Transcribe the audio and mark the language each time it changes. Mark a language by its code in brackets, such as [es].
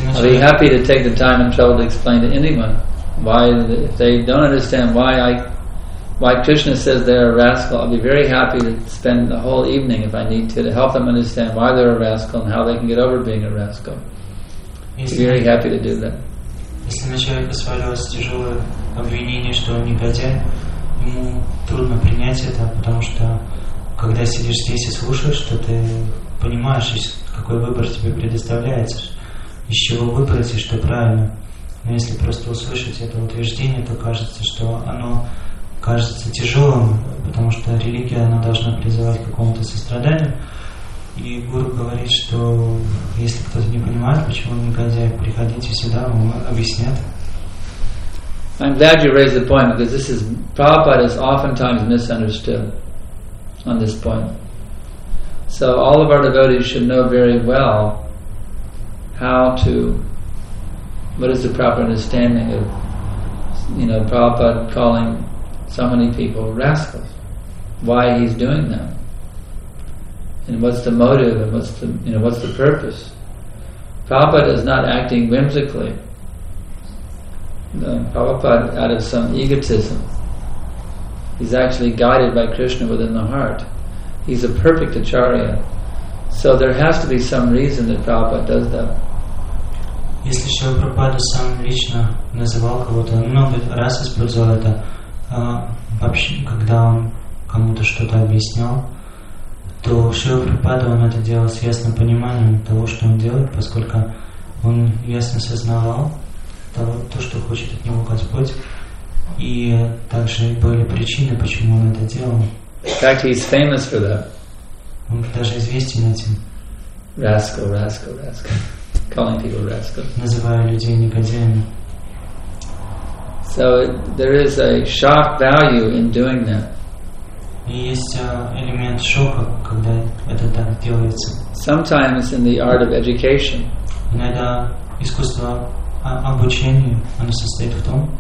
[en] I'll be happy to take the time and trouble to explain to anyone why, if they don't understand why Krishna says they're a rascal, I'll be very happy to spend the whole evening, if I need to help them understand why they're a rascal and how they can get over being a rascal. I'll be very happy to do that. [ru] Если на человека свалилось тяжелое обвинение, что он негодяй, ему трудно принять это, потому что когда сидишь здесь и слушаешь, то ты понимаешь, какой выбор тебе предоставляется, из чего выбрать и что правильно. Но если просто услышать это утверждение, то кажется, что оно кажется тяжелым, потому что религия, она должна призывать к какому-то состраданию. И гуру говорит, что если кто-то не понимает, почему он негодяй, приходите сюда, вам объяснят. [en] I'm glad you raised the point, because this is, Prabhupada is oftentimes misunderstood on this point. So all of our devotees should know very well how to, what is the proper understanding of, you know, Prabhupada calling so many people rascals, why he's doing that. And what's the motive, and what's the, you know, what's the purpose? Prabhupada is not acting whimsically. Prabhupada, out of some egotism, he's actually guided by Krishna within the heart. He's a perfect acharya. So there has to be some reason that Prabhupada does that. [ru] Если Шрила Прабхупада сам лично называл кого-то, много раз использовал это, вообще, когда он кому-то что-то объяснял, то Шрила Прабхупада, он это делал с ясным пониманием того, что он делает, поскольку он ясно сознавал то, что хочет от него Господь, и также были причины, почему он это делал. [en] In fact, he's famous for that. [ru] Он даже известен этим. [en] Rascal, rascal, rascal. Calling people rascals. [ru] Называя людей негодяями. [en] So there is a shock value in doing that. [ru] Есть элемент шока, когда это так делается. [en] Sometimes in the art of education. [ru] Иногда искусство обучения, оно состоит в том.